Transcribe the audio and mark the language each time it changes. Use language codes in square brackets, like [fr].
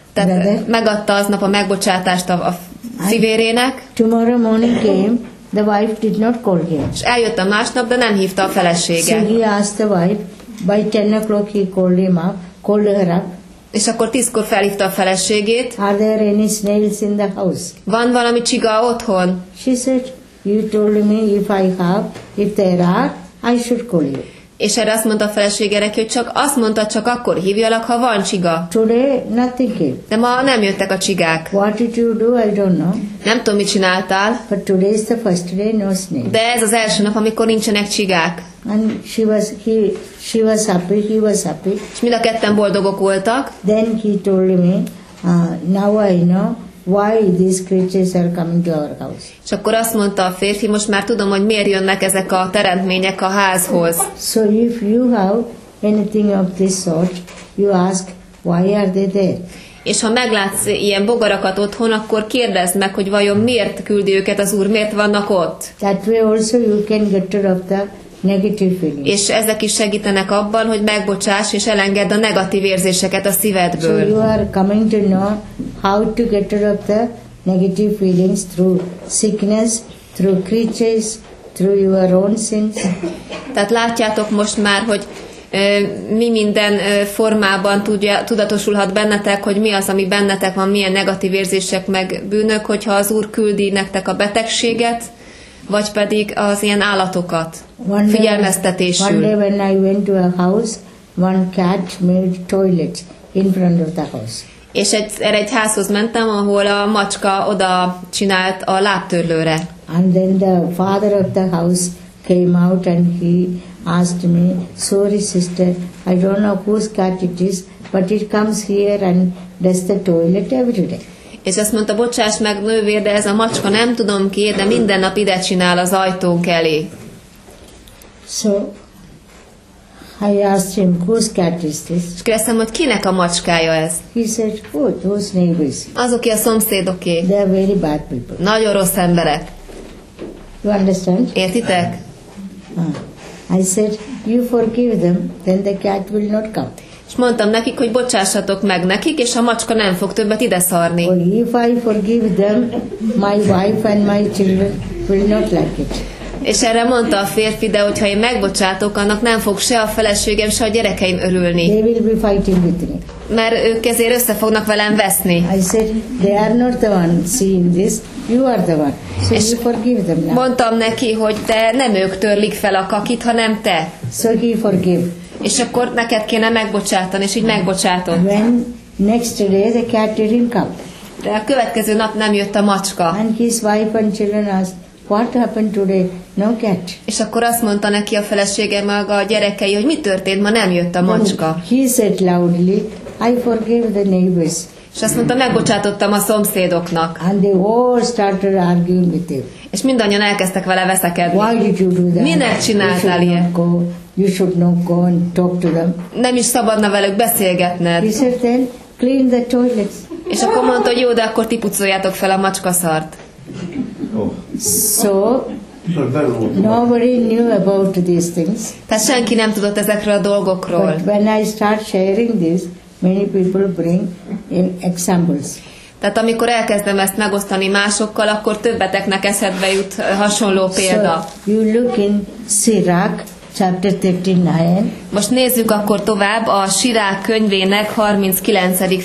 [en] brother. [hu] Megadta aznap a megbocsátást a fivérének. [en] Tomorrow morning came, the wife did not call him. [hu] És eljött a másnap, de nem hívta a feleséget. [en] So he asked the wife, by 10 o'clock he called him up, called her up. [hu] És akkor 10-kor felhívta a feleségét. [en] Are there any snails in the house? [hu] Van valami csiga otthon? [en] She said, you told me if I have, if there are, I should call you. [hu] És erre azt mondta a felesége neki, hogy csak azt mondta, csak akkor hívjalak, ha van csiga. [en] Today nothing came. [hu] De ma nem jöttek a csigák. [en] What did you do? I don't know. [hu] Nem tudom, mit csináltál. [en] But today is the first day, no snail. [hu] De ez az első nap, amikor nincsenek csigák. [en] And she was happy. [hu] És mind a ketten boldogok voltak. [en] Then he told me, now I know. Why these creatures are coming to our house? [hu] És akkor azt mondta a férfi, most már tudom, hogy miért jönnek ezek a teremtmények a házhoz. [en] So if you have anything of this sort, you ask, why are they there? [hu] És ha meglátsz ilyen bogarakat otthon, akkor kérdezd meg, hogy vajon miért küldi őket az Úr, miért vannak ott? [en] That way also you can get rid of the negative feelings. [hu] És ezek is segítenek abban, hogy megbocsáss és elengedd a negatív érzéseket a szívedből. [en] So you are coming to know how to get rid of the negative feelings through sickness, through creatures, through your own sins. [hu] Tehát látjátok most már, hogy mi minden formában tudatosulhat bennetek, hogy mi az, ami bennetek van, milyen negatív érzések meg bűnök, hogyha az Úr küldi nektek a betegséget, vagy pedig az ilyen állatokat figyelmeztetésül. [en] One day when I went to a house, one cat made toilet in front of the house. [hu] És egy házhoz mentem, ahol a macska oda csinált a lábtörlőre. [en] And then the father of the house came out and he asked me, sorry sister, I don't know whose cat it is, but it comes here and does the toilet every day. [hu] És azt mondta, bocsáss meg nővér, de ez a macska nem tudom ki, de minden nap ide csinál az ajtónk elé. [en] So, I asked him, whose cat is this? [hu] És kérdeztem, hogy kinek a macskája ez? [en] He said, oh, those neighbors. [hu] Azoké a szomszédoké. [en] They are very bad people. [hu] Nagyon rossz emberek. [en] You understand? [hu] Értitek? [en] I said, you forgive them, then the cat will not come. [hu] És mondtam nekik, hogy bocsássatok meg nekik, és a macska nem fog többet ide szarni. [en] If I forgive them, my wife and my children will not like it. [hu] És erre mondta a férfi, de hogyha én megbocsátok, annak nem fog se a feleségem, se a gyerekeim örülni. [en] They will be fighting with me. [hu] Mert ők ezért össze fognak velem veszni. [en] I said, they are not the one seeing this, you are the one. So [hu] és [en] you forgive them now. [hu] Mondtam neki, hogy te nem ők törlik fel a kakit, hanem te. [en] So he forgive. [hu] És akkor neked kéne megbocsátani, és így megbocsátott. [en] When next day the cat didn't come. [hu] De a következő nap nem jött a macska. [en] And his wife and children asked, what happened today? No cat. [hu] És akkor azt mondta neki a felesége maga a gyerekei, hogy mi történt, ma nem jött a macska. [en] And he said loudly, I forgave the neighbors. [hu] És azt mondta, megbocsátottam a szomszédoknak. [en] And they all started arguing with him. [hu] És mindannyian elkezdtek vele veszekedni. [en] Why did you do that? [hu] Minek csináltál ilyet? [en] You should not go and talk to them. [hu] Nem is szabadna velük beszélgetned. [en] He said then, clean the toilets. [hu] És akkor mondta, hogy jó, de akkor ti pucoljátok fel a macskaszart. [en] So, nobody knew about these things. [hu] Tehát senki nem tudott ezekről a dolgokról. [en] But when I start sharing this, many people bring in examples. [hu] Tehát amikor elkezdem ezt megosztani másokkal, akkor többeteknek eszedbe jut hasonló példa. [en] So, you look in Sirach, chapter 39. [hu] Most nézzük akkor tovább a Sirák könyvének 39.